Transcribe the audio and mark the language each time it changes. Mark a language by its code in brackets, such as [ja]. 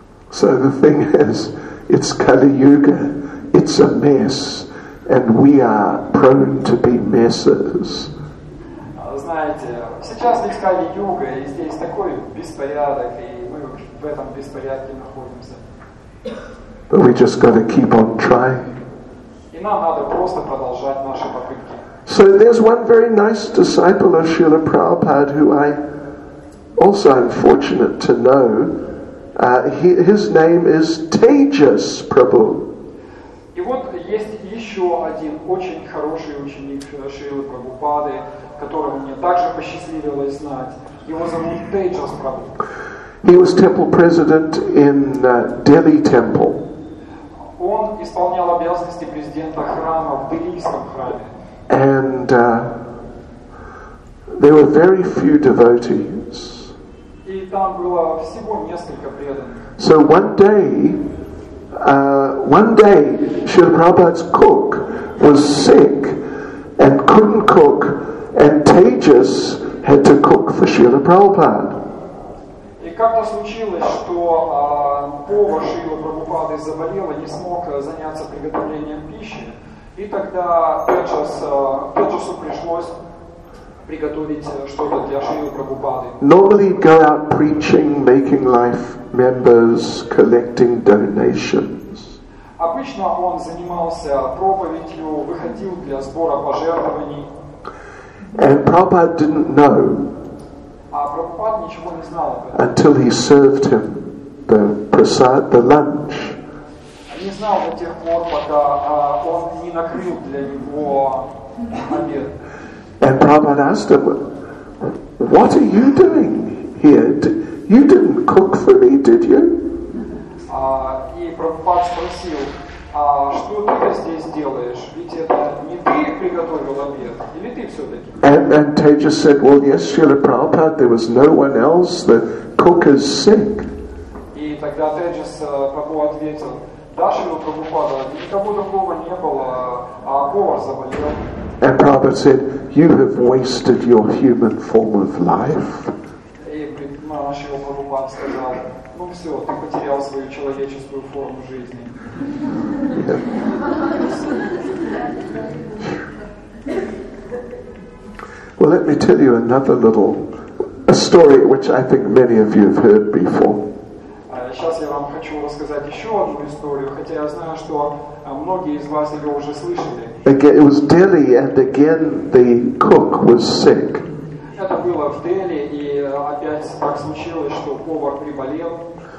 [en] So the thing is, it's Kali Yuga, it's a mess, and we are prone to be messes. [ru] Знаете, сейчас здесь Кали Юга, и здесь такой беспорядок, и мы в этом беспорядке находимся. [en] But we just got to keep on trying. [ru] И нам надо просто продолжать наши попытки. [en] So there's one very nice disciple of Srila Prabhupada who I also am fortunate to know. His name is Tejas Prabhu. [ru] И вот есть еще один очень хороший ученик Шрилы Прабхупады, которого мне также посчастливилось знать. Его зовут Тейджас Прабху. [en] He was temple president in Delhi temple. [ru] Он исполнял обязанности президента храма в Делийском храме. [en] And there were very few devotees. [ru] И там было всего несколько преданных. [en] So one day, Srila Prabhupada's cook was sick and couldn't cook, and Tejas had to cook for Srila Prabhupada. [ru] И как-то случилось, что повар Шрилы Прабхупады заболел и не смог заняться приготовлением пищи, и тогда Тейджасу пришлось приготовить что-то для Шрилы Прабхупады. [en] Normally he'd go out preaching, making life members, collecting donations. [ru] Обычно он занимался проповедью, выходил для сбора пожертвований. [en] And Prabhupada didn't know. [ru] А Прабхупада ничего не знал. [en] Until he served him the prasad, the lunch. [ru] Не знал до тех пор, пока он не накрыл для него обед. [en] And Prabhupada asked him, "What are you doing here? You didn't cook for me, did you?" [ru] Прабхупад спросил, что ты здесь делаешь? Ведь это не ты приготовил обед, или ты все-таки? [en] And Tejas said, well, yes, Srila Prabhupada, there was no one else, the cook is sick. [ru] И тогда Тейджас Прабху ответил, да, Шрила Прабхупада, никого другого не было, а повар заболел. [en] And Prabhupada said, you have wasted your human form of life. [ru] И Шрила Прабхупада сказал, ну все, ты потерял свою человеческую форму жизни. [en] Yeah. Well, let me tell you another little a story which I think many of you have heard before. [ru] Сейчас я вам хочу рассказать еще одну историю, хотя я знаю, что многие из вас ее уже слышали. [en] Again, it was Delhi, and again the cook was sick. [ru] Это было в Дели, и опять так случилось, что повар приболел.